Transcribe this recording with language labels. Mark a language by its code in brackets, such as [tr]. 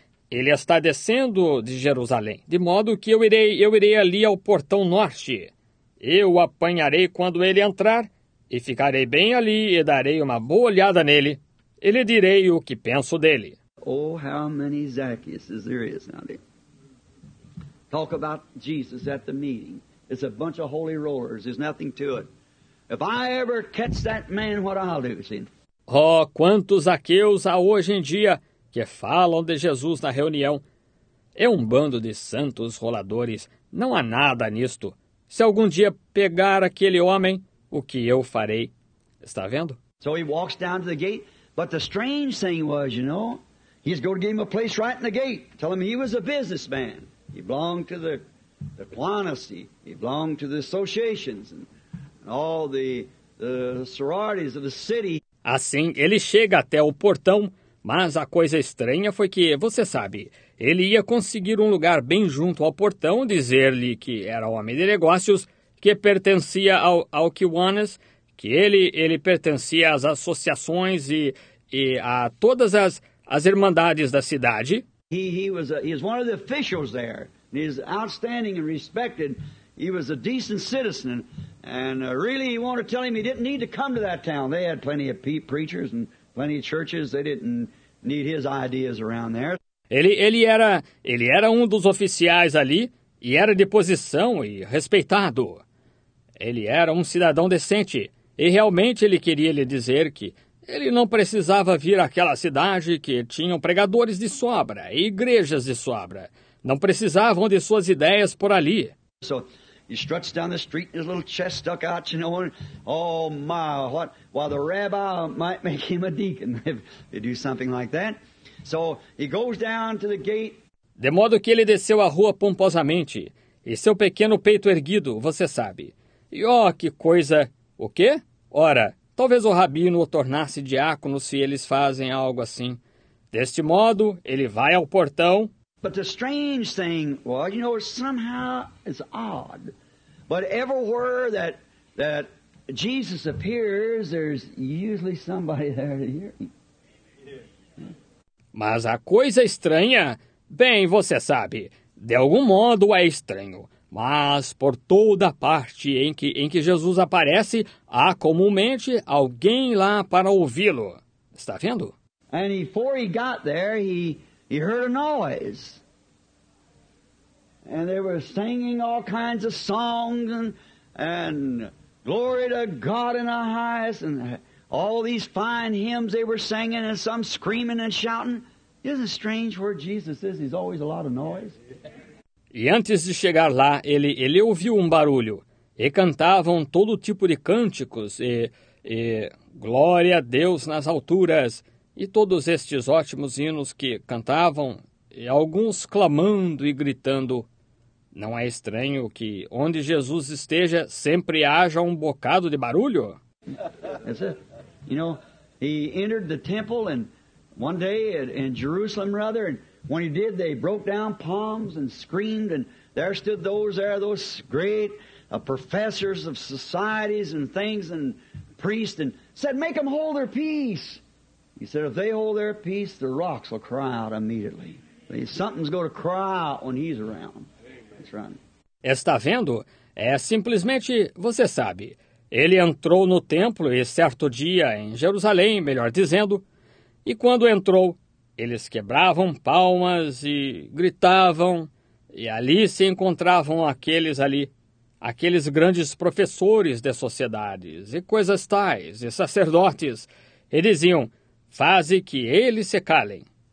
[pt] Ele está descendo de Jerusalém, de modo que eu irei ali ao portão norte. Eu o apanharei quando ele entrar e ficarei bem ali e darei uma boa olhada nele. Ele direi o que penso dele. [en] Oh, how many Zacchaeus there is now there. Talk about Jesus at the meeting. It's a bunch of holy rollers. There's nothing to it. If I ever catch that man, what I'll do, see? [pt] Oh, quantos Zaqueus há hoje em dia que falam de Jesus na reunião. É um bando de santos roladores. Não há nada nisto. Se algum dia pegar aquele homem, o que eu farei? Está vendo? [en] So he walks down to the gate, but the strange thing was, you know, he's going to give him a place right in the gate. Tell him he was a businessman. He belonged to the Aquinas. He belonged to the associations and all the sororities of the city. [pt] Assim, ele chega até o portão. Mas a coisa estranha foi que, você sabe, ele ia conseguir um lugar bem junto ao portão, dizer-lhe que era homem de negócios, que pertencia ao Aquinas, que ele pertencia às associações e a todas as irmandades da cidade. [en] He was one of the officials there. He's outstanding and respected. He was a decent citizen. And really, he wanted to tell him he didn't need to come to that town. They had plenty of preachers and plenty of churches. They didn't need his ideas around there. [pt] Ele era um dos oficiais ali e era de posição e respeitado. Ele era um cidadão decente e realmente ele queria lhe dizer que ele não precisava vir àquela cidade que tinham pregadores de sobra e igrejas de sobra. Não precisavam de suas ideias por ali. [en] So, he struts down the street and his little chest stuck out, you know, and oh my, what? Well, the rabbi might make him a deacon if they do something like that. So he goes down to the gate. [pt] De modo que ele desceu a rua pomposamente, e seu pequeno peito erguido, você sabe. E oh, que coisa! O quê? Ora, talvez o rabino o tornasse diácono se eles fazem algo assim. Deste modo, ele vai ao portão. [en] But the strange thing was, you know, somehow it's odd. But everywhere that Jesus appears, there's usually somebody there to hear him. [pt] Mas a coisa estranha, bem, você sabe, de algum modo é estranho. Mas por toda parte em que Jesus aparece, há comumente alguém lá para ouvi-lo. Está vendo? [en] And before he got there, he heard a noise. And they were singing all kinds of songs and glory to God in the highest and all these fine hymns they were singing and some screaming and shouting. Isn't it strange where Jesus is? He's always a lot of noise. [pt] E antes de chegar lá, ele ouviu um barulho. E cantavam todo tipo de cânticos e glória a Deus nas alturas. E todos estes ótimos hinos que cantavam, e alguns clamando e gritando. Não é estranho que onde Jesus esteja, sempre haja um bocado de barulho? [en] That's it. You know, he entered the temple and one day in Jerusalem, rather, and when he did, they broke down palms and screamed, and there stood those great professors of societies and things and priests, and said, make them hold their peace. He said, if they hold their peace, the rocks will cry out immediately. Something's going to cry out when he's around. That's right. [pt] Está vendo? É simplesmente, você sabe, ele entrou no templo e certo dia em Jerusalém, melhor dizendo, e quando entrou, eles quebravam palmas e gritavam, e ali se encontravam aqueles grandes professores de sociedades e coisas tais, e sacerdotes, e diziam, faze que eles se calem.